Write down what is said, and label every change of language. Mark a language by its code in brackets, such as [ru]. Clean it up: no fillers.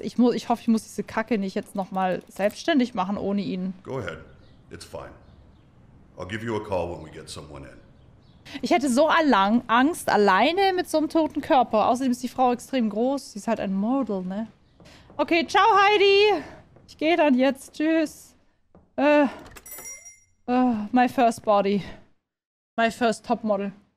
[de] Ich hoffe, ich muss diese Kacke nicht jetzt nochmal selbstständig machen ohne ihn. [en] Go ahead. It's fine. I'll give you a call when we get someone in. [de] Ich hätte so Angst alleine mit so einem toten Körper. Außerdem ist die Frau extrem groß. Sie ist halt ein Model, ne? Okay, ciao, Heidi. Ich gehe dann jetzt. Tschüss. [en] My first body. My first top model.